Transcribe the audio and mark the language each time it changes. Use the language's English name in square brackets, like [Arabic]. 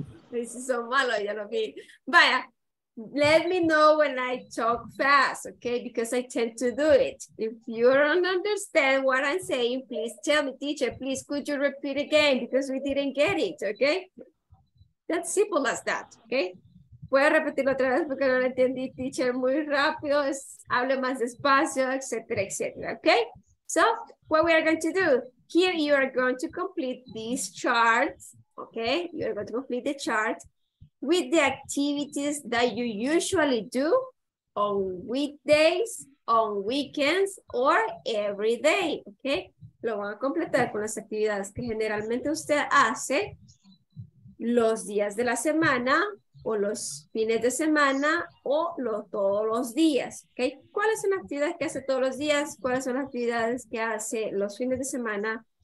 [English] This is so [Spanish] malo, ya lo vi. [English] Vaya, let me know when I talk fast, okay? Because I tend to do it. If you don't understand what I'm saying, please tell me, teacher, please, could you repeat again? Because we didn't get it, okay? That's simple as that, okay? [Spanish] Voy a repetirlo otra vez porque no lo entendí, teacher, muy rápido, hable más despacio, etcétera, etcétera, okay? [English] So, what we are going to do, here you are going to complete these charts, okay? You are going to complete the chart with the activities that you usually do on weekdays, on weekends, or every day, okay? [Spanish] Lo van a completar con las actividades que generalmente usted hace los días de la semana, o los fines de semana, o todos los días, ¿ok? ¿Cuáles son las actividades que hace todos los días? ¿Cuáles son las actividades que hace los fines de semana?